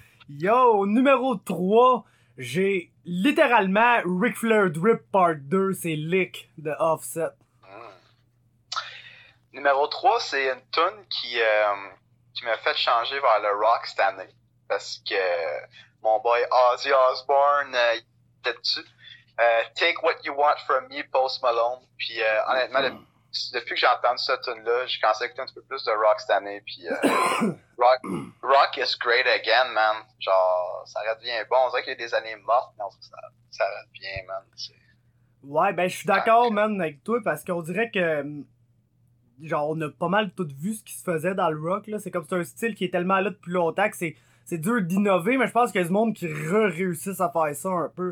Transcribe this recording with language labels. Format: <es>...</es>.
<fr>Yo, numéro 3, j'ai littéralement Ric Flair Drip Part 2, c'est Lick de Offset. Numéro 3, c'est une toune qui m'a fait changer vers le rock cette année. Parce que mon boy Ozzy Osbourne, il était dessus.</fr> <en>Take what you want from me, Post Malone.</en> <fr>Puis honnêtement, depuis que j'ai entendu cette tune-là, j'ai commencé à écouter un petit peu plus de rock cette année.</fr> <en>Puis rock is great again, man.</en> <fr>Genre, ça redevient bon. On dirait qu'il y a des années mortes, mais ça redevient, man. Ouais, ben je suis d'accord, man, avec toi, parce qu'on dirait que, genre, on a pas mal tout vu ce qui se faisait dans le rock, là. C'est comme c'est un style qui est tellement là depuis longtemps que c'est dur d'innover, mais je pense qu'il y a du monde qui réussissent à faire ça un peu.</fr>